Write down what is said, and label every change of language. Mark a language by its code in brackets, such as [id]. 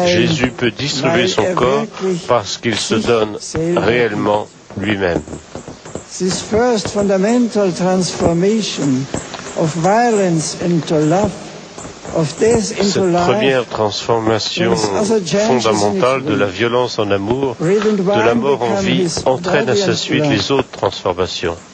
[fr] Jésus peut distribuer son corps parce qu'il se donne réellement lui-même. [en] This first fundamental transformation of violence into love, of death into [fr] cette [en] life, [fr] première transformation fondamentale de la violence en amour, de la mort en vie, entraîne à sa suite les autres transformations.